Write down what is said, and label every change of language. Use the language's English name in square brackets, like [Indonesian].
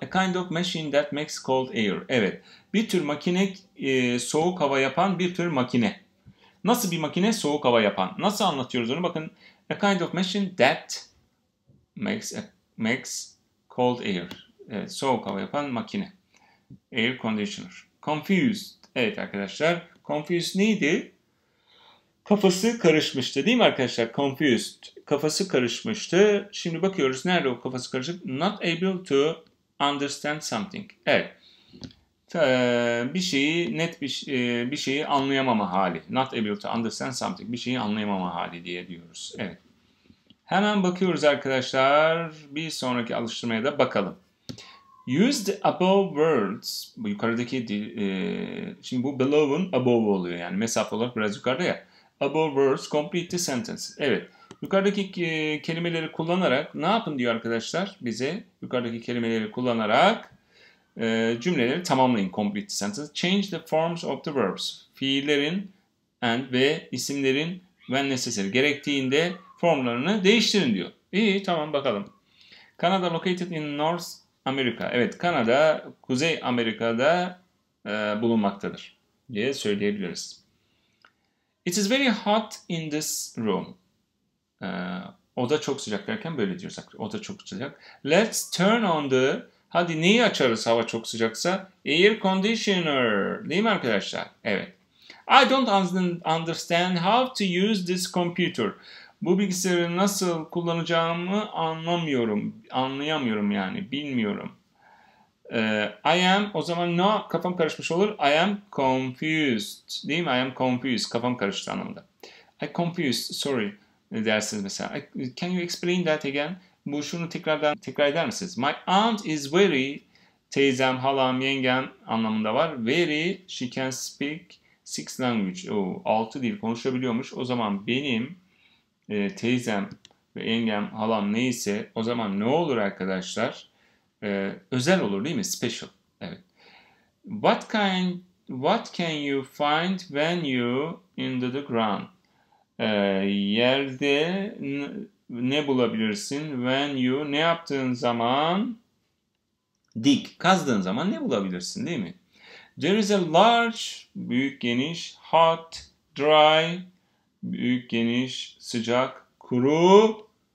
[English] A kind of machine that makes cold air. [Turkish] Evet. Bir tür makine, soğuk hava yapan bir tür makine. Nasıl bir makine? Soğuk hava yapan. Nasıl anlatıyoruz onu? Bakın. [English] A kind of machine that makes cold air. [Turkish] Evet, soğuk hava yapan makine. Air conditioner. Confused. Evet arkadaşlar. Confused neydi? Kafası karışmıştı değil mi arkadaşlar? Confused. Kafası karışmıştı. Şimdi bakıyoruz nerede o kafası karışık? [English] Not able to understand something. [Turkish] Evet. Bir şeyi net bir şeyi anlayamama hali. [English] Not able to understand something. [Turkish] Bir şeyi anlayamama hali diye diyoruz. Evet. Hemen bakıyoruz arkadaşlar. Bir sonraki alıştırmaya da bakalım. [English] Use the above words. [Turkish] Bu yukarıdaki şimdi bu below'un above oluyor. Yani mesafe olarak biraz yukarıda ya. [English] Above words complete the sentence. [Turkish] Evet. Yukarıdaki kelimeleri kullanarak ne yapın diyor arkadaşlar bize. Yukarıdaki kelimeleri kullanarak cümleleri tamamlayın. [English] Complete the sentence. Change the forms of the verbs. [Turkish] Fiillerin and ve isimlerin when necessary. Gerektiğinde formlarını değiştirin diyor. İyi tamam bakalım. [English] Canada located in North America. [Turkish] Evet Kanada Kuzey Amerika'da bulunmaktadır diye söyleyebiliriz. [English] It is very hot in this room. [Turkish] Oda çok sıcak derken böyle diyorsak. Oda çok sıcak. [English] Let's turn on the... [Turkish] Hadi neyi açarız hava çok sıcaksa? Air conditioner. Değil mi arkadaşlar? Evet. [English] I don't understand how to use this computer. [Turkish] Bu bilgisayarı nasıl kullanacağımı anlamıyorum. Anlayamıyorum yani. Bilmiyorum. I am, o zaman no, kafam karışmış olur. [English] I am confused. [Turkish] Değil mi? [English] I am confused. [Turkish] Kafam karıştı anlamda. [English] I confused, sorry [Turkish] dersiniz mesela. [English] Can you explain that again? [Turkish] Bu şunu tekrar eder misiniz? [English] My aunt is very, [Turkish] teyzem, halam, yengem anlamında var. [English] Very, she can speak six language. [Turkish] Oo, altı dil konuşabiliyormuş. O zaman benim teyzem ve yengem, halam neyse o zaman ne olur arkadaşlar? Özel olur değil mi? Special. Evet. [English] What can you find when you into the ground? [Turkish] Yerde ne bulabilirsin? When you ne yaptığın zaman? Dig. Kazdığın zaman ne bulabilirsin değil mi? [English] There is a large, [Turkish] büyük geniş, hot, dry, büyük geniş, sıcak, kuru.